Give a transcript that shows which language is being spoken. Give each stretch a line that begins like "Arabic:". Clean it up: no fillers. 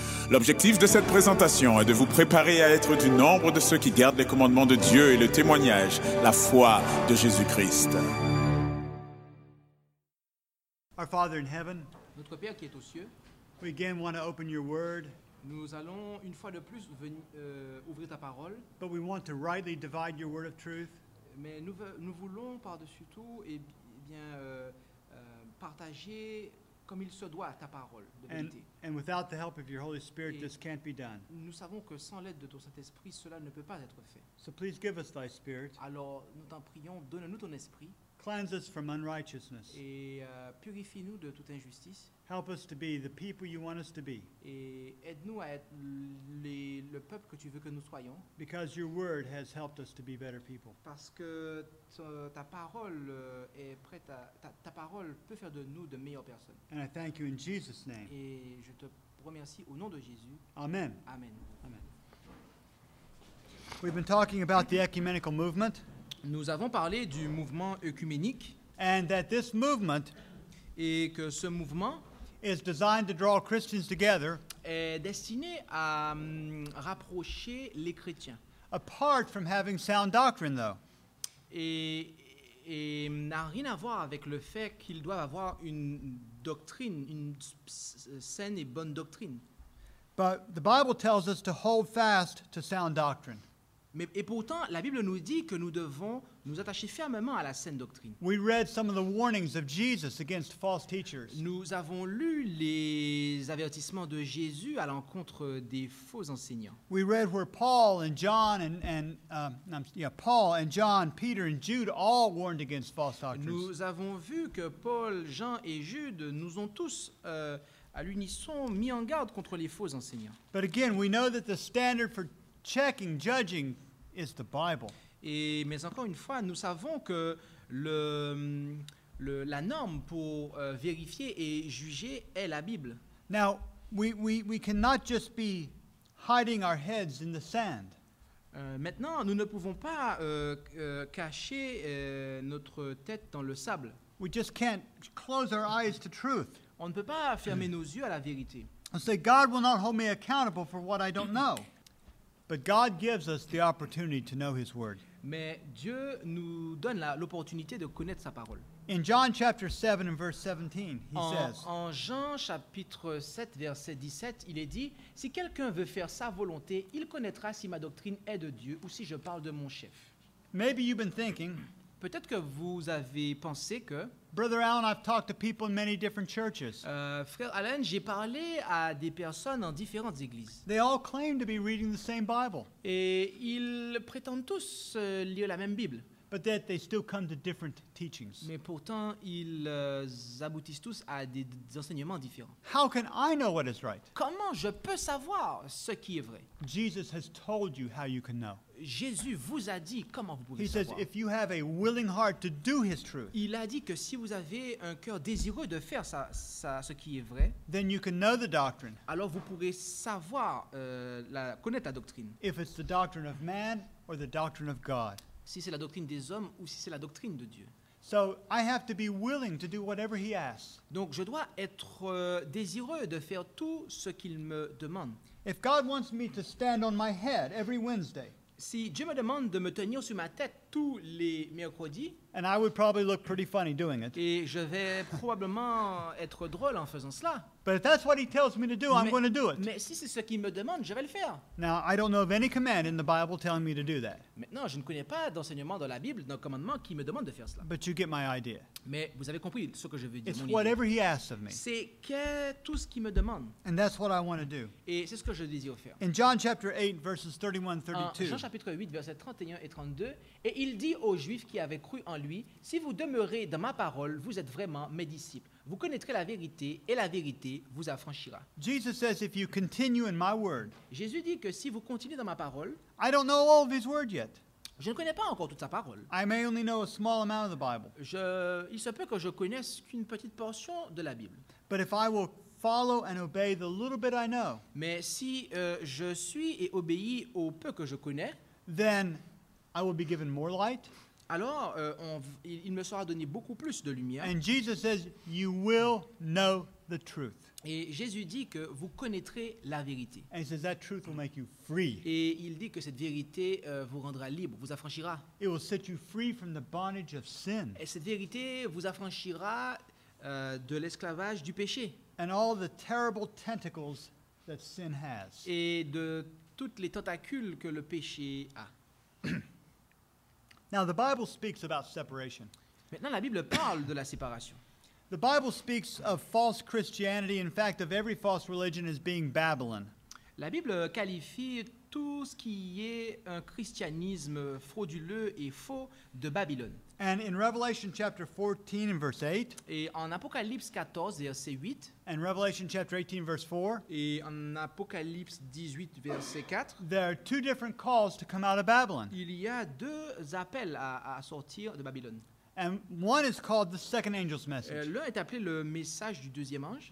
French: L'objectif de cette présentation est de vous préparer à être du nombre de ceux qui gardent les commandements de Dieu et le témoignage, la foi de Jésus-Christ.
English: Our Father in heaven,
French: notre Père qui est aux cieux,
English: we again want to open your word.
French: Nous allons une fois de plus ouvrir ta parole.
English: But we want to rightly divide your word of truth.
French: Mais nous voulons par-dessus tout et bien partager comme il se doit ta parole de vérité.
English: And without the help of your Holy Spirit, this can't be done.
French: Nous savons que sans l'aide de ton Saint-Esprit, cela ne peut pas être fait.
English: So please give us thy Spirit.
French: Alors nous t'en prions, donne-nous ton Esprit.
English: Cleanse us from unrighteousness.
French: Et purifie-nous de toute injustice.
English: Help us to be the people you want us to be.
French: Et aide-nous à être le peuple que tu veux que nous soyons.
English: Because your word has helped us to be better people.
French: Parce que ta parole est prête à ta parole peut faire de nous de meilleures personnes.
English: And I thank you in Jesus' name.
French: Et je te remercie au nom de Jésus.
English: Amen.
French: Amen.
English: Amen. We've been talking about the ecumenical movement.
French: Nous avons parlé du mouvement œcuménique.
English: And that this movement
French: et que ce mouvement
English: is designed to draw Christians together
French: est destiné à rapprocher les chrétiens.
English: Apart from having sound doctrine, though.
French: Et n'a rien à voir avec le fait qu'ils doivent avoir une doctrine, une saine et bonne doctrine.
English: But the Bible tells us to hold fast to sound doctrine.
French: Mais, et pourtant, la Bible nous dit que nous devons nous attacher fermement à la saine doctrine.
English: We read some of the warnings of Jesus against false teachers.
French: Nous avons lu les avertissements de Jésus à l'encontre des faux enseignants.
English: We read where Paul and John and Peter and Jude all warned against false doctrines.
French: Nous avons vu que Paul, Jean et Jude nous ont tous à l'unisson mis en garde contre les faux enseignants.
English: But again, we know that the standard for checking, judging is the Bible.
French: Et mais encore une fois, nous savons que la norme pour vérifier et juger est la Bible.
English: Now, we cannot just be hiding our heads in the sand.
French: Maintenant, nous ne pouvons pas cacher notre tête dans le sable.
English: We just can't close our eyes to truth.
French: On ne peut pas fermer nos yeux à la vérité.
English: And say, God will not hold me accountable for what I don't know. But God gives us the opportunity to know His word.
French: Mais Dieu nous donne l'opportunité de connaître sa parole.
English: In John chapter 7 and verse 17, he says.
French: En Jean chapitre 7 verset 17, il est dit, si quelqu'un veut faire sa volonté, il connaîtra si ma doctrine est de Dieu ou si je parle de mon chef.
English: Maybe you've been thinking.
French: Peut-être que vous avez pensé que.
English: Brother Allen, I've talked to people in many different churches.
French: Frère Allen, j'ai parlé à des personnes en différentes églises.
English: They all claim to be reading the same Bible.
French: Et ils prétendent tous lire la même Bible.
English: But that they still come to different teachings.
French: Mais pourtant, ils aboutissent tous à des enseignements différents.
English: How can I know what is right?
French: Comment je peux savoir ce qui est vrai?
English: Jesus has told you how you can know.
French: Jésus vous a dit comment vous pouvez
English: He
French: savoir.
English: Says, if you have a willing heart to do His truth,
French: il a dit que si vous avez un cœur désireux de faire ce qui est vrai,
English: then you can know the doctrine.
French: Alors vous pourrez savoir connaître la doctrine.
English: If it's the doctrine of man or the doctrine of God.
French: Si c'est la doctrine des hommes ou si c'est la doctrine de Dieu.
English: So I have to be willing to do whatever He asks.
French: Donc je dois être désireux de faire tout ce qu'il me demande.
English: If God wants me to stand on my head every Wednesday.
French: Si Dieu me demande de me tenir sur ma tête tous les mercredis,
English: and I would probably look pretty funny doing it.
French: Et je vais probablement être drôle en faisant cela.
English: But if that's what He tells me to do, I'm going to do it.
French: Mais si c'est ce qu'il me demande, je vais le faire.
English: Now, I don't know of any command in the Bible telling me to do that.
French: Maintenant, je ne connais pas d'enseignement dans la Bible, d'un commandement qui me demande de faire cela.
English: But you get my idea.
French: Mais vous avez compris ce que je veux dire.
English: It's whatever He asks of me.
French: C'est tout ce qu'il me demande.
English: And that's what I want to do.
French: Et c'est ce que je désire faire.
English: In John chapter 8, verses 31 and 32.
French: En Jean chapitre 8, versets 31 et 32. Et il dit aux Juifs qui avaient cru en lui, « Si vous demeurez dans ma parole, vous êtes vraiment mes disciples. » Vous connaîtrez la vérité et la vérité vous affranchira.
English: Jesus says if you continue in my word.
French: Jésus dit que si vous continuez dans ma parole.
English: I don't know all of his word yet.
French: Je ne connais pas encore toute sa parole.
English: I may only know a small amount of the Bible.
French: Il se peut que je connaisse qu'une petite portion de la Bible.
English: But if I will follow and obey the little bit I know.
French: Mais si je suis et obéis au peu que je connais,
English: then I will be given more light.
French: alors il me sera donné beaucoup plus de lumière.
English: And Jesus says, you will know the truth.
French: Et Jésus dit que vous connaîtrez la vérité.
English: And he says that truth will make you free.
French: Et il dit que cette vérité vous rendra libre, vous affranchira.
English: It will set you free from the bondage of sin.
French: Et cette vérité vous affranchira de l'esclavage du péché.
English: And all the terrible tentacles that sin has.
French: Et de toutes les tentacules que le péché a.
English: Now the Bible speaks about separation.
French: Maintenant la Bible parle de la séparation.
English: The Bible speaks of false Christianity, in fact of every false religion, as being Babylon.
French: La Bible qualifie tout ce qui est un christianisme frauduleux et faux de Babylone.
English: And in Revelation chapter 14 and verse 8.
French: Et en Apocalypse 14 verset 8.
English: And Revelation chapter 18 verse 4.
French: Et en Apocalypse 18 verset 4.
English: There are two different calls to come out of Babylon.
French: Il y a deux appels à sortir de Babylone.
English: And one is called the second angel's message.
French: L'un est appelé le message du deuxième ange.